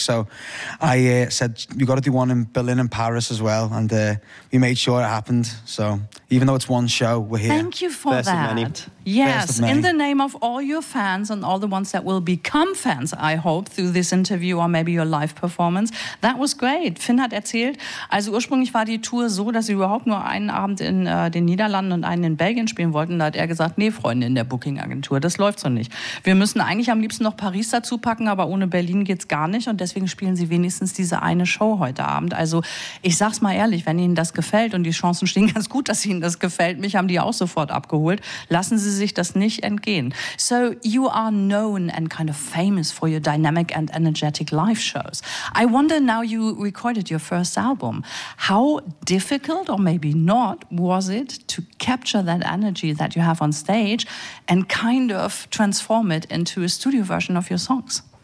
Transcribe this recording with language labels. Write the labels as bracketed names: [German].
[English] So I said, we've got to do one in Berlin and Paris as well. And we made sure it happened. So even though it's one show, we're here. Thank you for Best that. Of yes, in the name of all your fans and all the ones that will become fans, I hope, through this interview or maybe your live performance. That was great. [German] Finn hat erzählt, also ursprünglich war die Tour so, dass sie überhaupt nur einen Abend in den Niederlanden und einen in Belgien spielen wollten. Da hat er gesagt, nee, Freunde in der Booking-Agentur, das läuft so nicht. Wir müssen eigentlich am liebsten noch Paris dazu packen, aber ohne Berlin geht's gar nicht. Und deswegen spielen sie wenigstens diese eine Show heute Abend. Also ich sag's mal ehrlich, wenn Ihnen das gefällt und die Chancen stehen ganz gut, dass Ihnen das gefällt, mich haben die auch sofort abgeholt, lassen Sie sich das nicht entgehen. [English] So you are known and kind of famous for your dynamic and energetic live shows. I wonder now you recorded your first album. How difficult or maybe not was it to capture that energy that you have on stage and kind of transform it into a studio version of your songs?